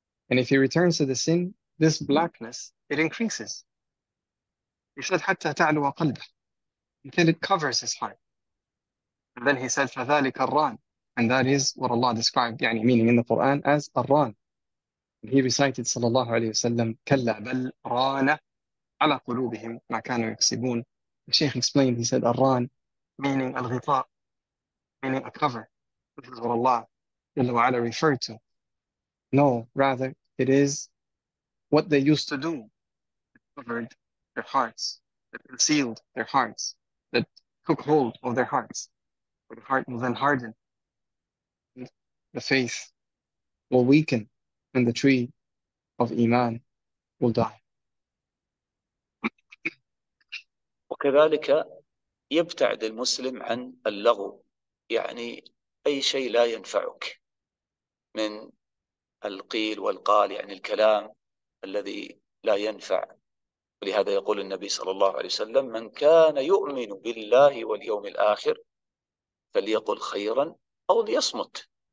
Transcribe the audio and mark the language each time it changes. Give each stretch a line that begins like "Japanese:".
English: And if he returns to the sin, this blackness, it increases. He said,
Arabic: حتى تعلو قلبه,
English: until it covers his heart. And then he said,
Arabic: فذلك الران.
English: And that is what Allah described, يعني meaning in the Quran, as الران. And he recited,
Arabic: صلى الله عليه وسلم, كلا بل ران على قلوبهم ما كانوا يكسبون.
English: The Sheikh explained, he said, الران, meaning الغطاء, meaning a cover. This is what Allah جل وعلا referred to. No, rather, it is what they used to do. It covered their hearts, that concealed their hearts, that took hold of their hearts. The heart will then harden. The faith will weaken, and the tree of Iman will die.
Arabic: كذلك يبتعد المسلم عن اللغو، يعني أي شيء لا ينفعك من القيل والقال، يعني الكلام الذي لا ينفع. ولهذا يقول النبي صلى الله عليه وسلم: من كان يؤمن بالله واليوم الآخر فليقل خيرا أو ليصمت.